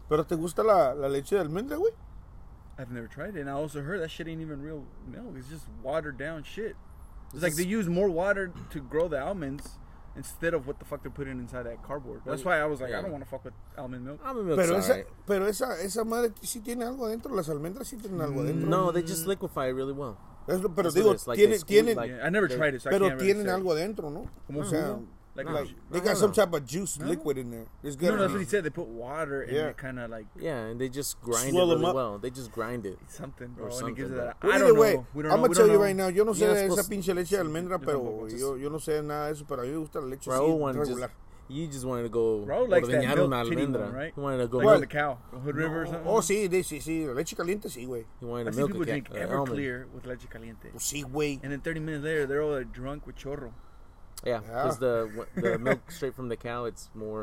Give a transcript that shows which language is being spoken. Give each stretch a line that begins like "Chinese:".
Spanish: ¿Pero te gusta la leche de almendra, güey?
English: I've never tried it. And I also heard that shit ain't even real milk. It's just watered down shit. It's like they use more water to grow the almonds. Instead of what the fuck they're putting inside that cardboard. That's why I was like, yeah. I don't want to fuck with almond milk. Almond milk's alright.
Spanish: Pero esa madre sí tiene algo adentro. Las almendras sí tienen algo adentro.
English: No, they just liquefy really well.
Spanish: Pero digo, tienen.
English: I never tried it, so I can't really say.
Spanish: Pero tienen algo adentro, ¿no? Como sea.
English: Like they got some type of juice liquid in there. It's good. No, that's what he said. They put water and it kind of like. Yeah, and they just grind it really well. They just grind it. Something, bro. And it gives it that. I don't know. I'm going to tell you right now.
Spanish: Yo no sé de esa pinche leche de almendra, pero yo no sé nada de eso. Pero a mí me gusta la leche así, regular.
English: You just wanted to go
Spanish: ordeñar una almendra,
English: right? You wanted to go like on the cow, Hood River or something.
Spanish: Oh, sí, sí. Leche caliente, sí, güey.
English: You wanted to milk a cow. I see people drink Everclear with
Spanish: leche caliente. Pues sí, güey.
English: And then 30 minutes later, they're all drunk with chorro. Yeah, because the milk straight from the cow, it's more.